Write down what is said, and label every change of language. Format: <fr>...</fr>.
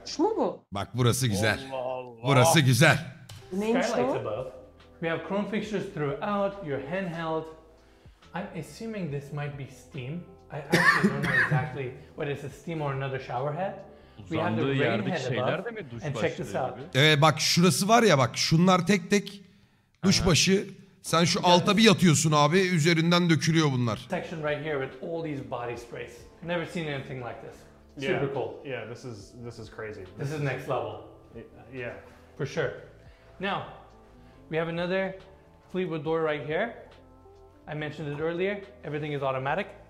<tr>Şu mu? Bak burası güzel. Burası güzel.</tr> <en>Skylights above. We have chrome fixtures throughout, your handheld. I'm assuming this might be steam. I actually don't know exactly what is a steam or another shower head. We have the rain head above. And check this out.</en> <tr>Bak şurası var ya bak şunlar tek tek duş başı. Sen şu alta bir yatıyorsun abi üzerinden dökülüyor bunlar.</tr> <en>Section right here with all these body sprays. Never seen anything like this. Super yeah. cool. Yeah, this is crazy. This is next level. Yeah, for sure. Now, we have another Fleetwood door right here. I mentioned it earlier. Everything is automatic.</en>